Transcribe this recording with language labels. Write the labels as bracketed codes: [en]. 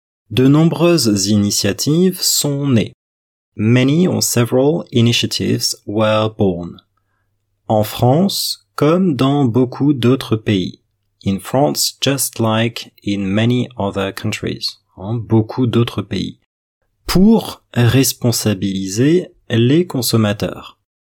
[fr] De nombreuses initiatives sont nées. [en] Many or several initiatives were born. [fr] En France, comme dans beaucoup d'autres pays. [en] In France, just like in many other countries. [fr] Hein, beaucoup d'autres pays. Pour responsabiliser les consommateurs.